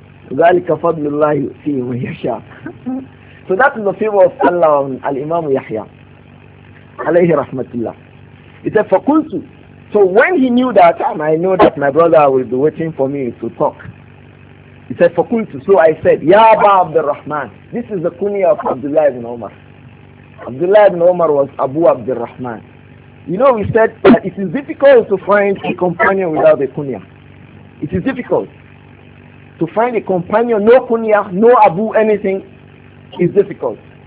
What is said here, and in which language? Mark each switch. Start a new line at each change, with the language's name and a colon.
Arabic: ذَلِكَ فَضْلُ اللَّهِ يُؤْتِيهِ مَنْ يَشَاءُ.
English: So that is the favor of Allah on Al-Imam Yahya. Alayhi rahmatullah. He said,
Arabic: فَقُلْتُ.
English: So when he knew that, I know that my brother will be waiting for me to talk. He said, فَقُلْتُ. So I said,
Arabic: يَا أَبَا عَبْدِ الرَّحْمَنِ.
English: This is the kunya of Abdullah ibn Umar. Abdullah ibn Umar was Abu Abdul Rahman. You know, we said that it is difficult to find a companion without a kunya. It is difficult. To find a companion, no kunya, no abu, anything, is difficult.